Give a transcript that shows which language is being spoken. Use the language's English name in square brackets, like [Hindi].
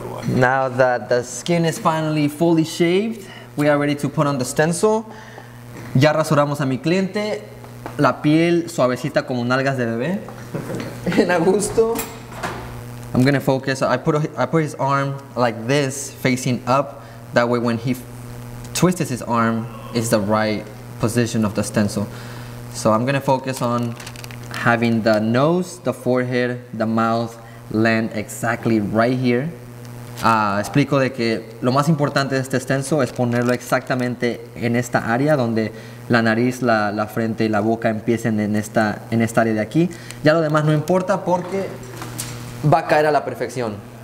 [English] Now that the skin is finally fully shaved, we are ready to put on the stencil. [Spanish] Ya rasuramos a mi cliente, la piel suavecita como nalgas de bebé. En agosto. [English] I'm gonna focus. I put his arm like this, facing up. That way, when he twists his arm, it's the right position of the stencil. So I'm gonna focus on having the nose, the forehead, the mouth land exactly right here. [Spanish] Explico de que lo más importante de este stencil es ponerlo exactamente en esta área donde la nariz, la frente y la boca empiecen en esta área de aquí. Ya lo demás no importa porque va a caer a la perfección.